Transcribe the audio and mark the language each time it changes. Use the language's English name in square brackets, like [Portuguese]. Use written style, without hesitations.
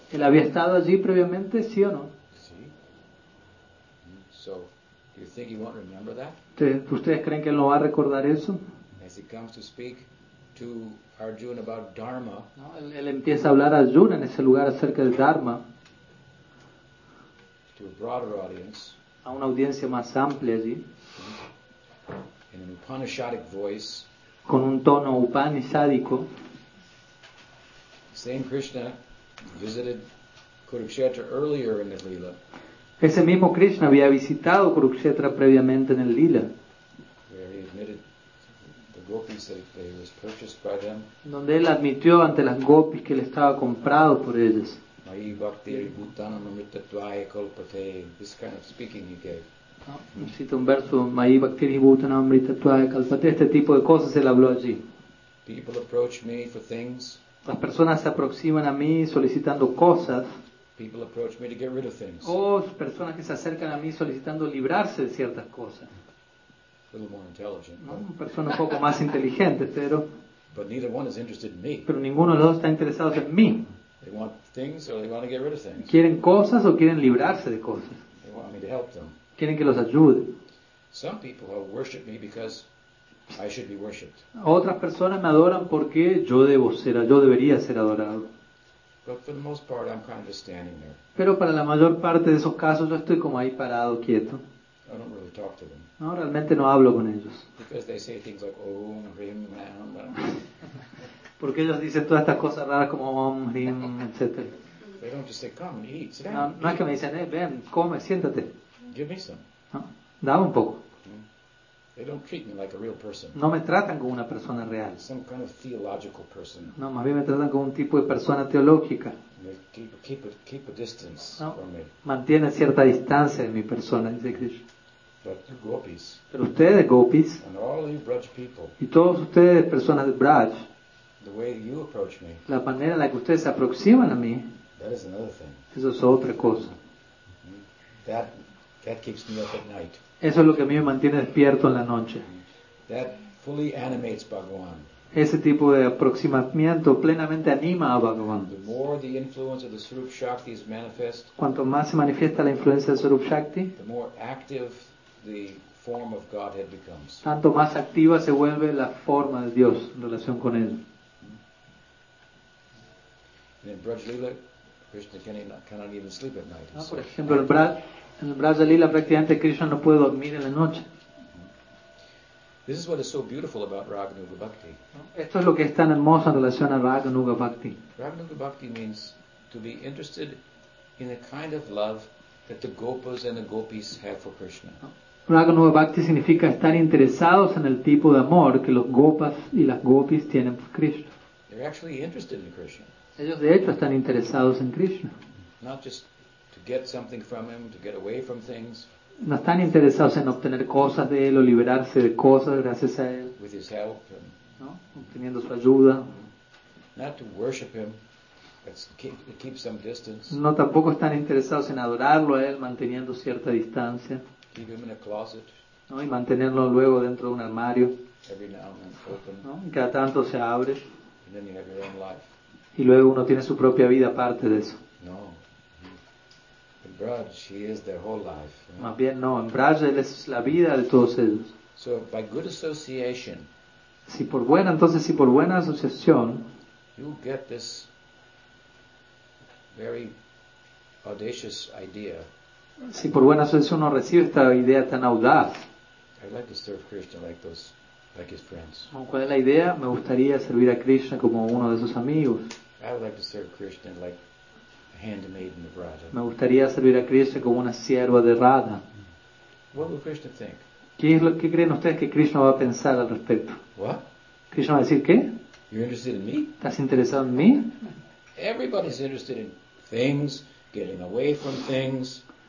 [Spanish] ¿Él había estado allí previamente, sí o no? Sí. [English] So, do you think he won't remember that? [Spanish] ¿Ustedes creen que él no va a recordar eso? [English] As he comes to speak to Arjuna about Dharma, [Spanish] no, él empieza a hablar a Arjuna en ese lugar acerca del Dharma. [English] To a broader audience, [Spanish] a una audiencia más amplia allí, [English] in an Upanishadic voice, [Spanish] con un tono upanishádico, [English] same Krishna visited Kurukshetra earlier in the Lila. [Spanish] Ese mismo Krishna había visitado Kurukshetra previamente en el Lila, [English] where he admitted the gopis that he was purchased by them, [Spanish] donde él admitió ante las gopis que él estaba comprado por ellas. [Sanskrit] Mayi bhaktiri bhutana namrita dvaya kalpate, [English] this kind of speaking he gave. [Spanish] No, cita un verso, [Sanskrit] mayi bhaktiri bhutana namrita dvaya kalpate, [Spanish] este tipo de cosas él habló allí. [English] People approach me for things. [Spanish] Las personas se aproximan a mí solicitando cosas. [English] People approach me to get rid of things. [Spanish] O personas que se acercan a mí solicitando librarse de ciertas cosas. [English] A little more intelligent. [Spanish] No, una persona un poco más inteligente, pero... [English] But neither one is interested in me. [Spanish] Pero ninguno de los dos está interesado en mí. [English] They want things or they want to get rid of things. [Spanish] ¿Quieren cosas o quieren librarse de cosas? [English] They want me to help them. [Spanish] ¿Quieren que los ayude? [English] Some people have worshipped me because I should be worshipped. [Spanish] Otras personas me adoran porque yo debería ser adorado. [English] But for the most part, I'm kind of standing there. [Spanish] Pero para la mayor parte de esos casos, yo estoy como ahí parado, quieto. [English] I don't really talk to them. [Spanish] No, realmente no hablo con ellos. [English] Because they say things like Om, Rim, Nam. [Spanish] Porque ellos dicen todas estas cosas raras como Om, Rim, etc. [English] They don't just say, come and eat. Sit down. [Spanish] No, no es que me dicen, ven, come, siéntate. [English] Give me some. [Spanish] No, dame un poco. [English] They don't treat me like a real person. [Spanish] No me tratan como una persona real. [English] Some kind of theological person. [Spanish] No, más bien me tratan como un tipo de persona teológica. [English] Keep a distance, [Spanish] no, [English] from me. [Spanish] Mantiene cierta distancia de mi persona, dice Krishna. [English] But the gopis, [Spanish] pero ustedes, gopis, [English] and all you Braj people, [Spanish] y todos ustedes, personas de Braj, [English] the way you approach me, [Spanish] la manera en la que ustedes se aproximan a mí, [English] that is another thing. [Spanish] Eso es otra cosa. [English] That keeps me up at night. [Spanish] Eso es lo que a mí me mantiene despierto en la noche. [English] That fully animates Bhagavan. [Spanish] Ese tipo de aproximamiento plenamente anima a Bhagavan. [English] The more the influence of the Swarup Shakti is manifest, [Spanish] cuanto más se manifiesta la influencia de Swarup Shakti, [English] the more active the form of Godhead becomes. [Spanish] Tanto más activa se vuelve la forma de Dios en relación con él. [English] And in Braj Lila, Krishna cannot even sleep at night. [Spanish] Por ejemplo, en Braj, en el Braja Lila prácticamente Krishna no puede dormir en la noche. [English] This is what is so beautiful about Raganuga Bhakti. [Spanish] Esto es lo que es tan hermoso en relación a Raganuga Bhakti. [English] Raganuga Bhakti means to be interested in the kind of love that the gopas and the gopis have for Krishna. [Spanish] Raganuga Bhakti significa estar interesados en el tipo de amor que los gopas y las gopis tienen por Krishna. [English] They're actually interested in Krishna. [Spanish] Ellos de hecho están interesados en Krishna. [English] Not just to get something from him, to get away from things. [Spanish] No están interesados en obtener cosas de él o liberarse de cosas gracias a él. [English] With his help, [Spanish] ¿no? Obteniendo su ayuda. [English] Not to worship him, but to keep some distance. [Spanish] No, tampoco están interesados en adorarlo a él, manteniendo cierta distancia. [English] Keep him in a closet, [Spanish] ¿no? Y mantenerlo luego dentro de un armario. [English] Every now and then open. [Spanish] ¿No? Y cada tanto se abre. [English] And then you have your own life. [Spanish] Y luego uno tiene su propia vida aparte de eso. [English] No. Braj, he is their whole life. Yeah. [Spanish] Más bien no, en Braj él es la vida de todos ellos. [English] So by good association, [Spanish] si por buena, entonces si por buena asociación, [English] you get this very audacious idea. [Spanish] Si por buena asociación uno recibe esta idea tan audaz. [English] I'd like to serve Krishna like those, like his friends. [Spanish] ¿Cuál es la idea? Me gustaría servir a Krishna como uno de sus amigos. [English] I would like to serve Krishna like handmaiden of Radha. [Spanish] Me gustaría servir a Krishna como una sierva de Radha. [English] What will Krishna think? [Spanish] ¿Qué creen ustedes que Krishna va a pensar al respecto? [English] What? [Spanish] Krishna va a decir, ¿qué? [English] You're interested in me? [Spanish] ¿Estás interesado en mí? [English] Everybody's interested in things, getting away from things.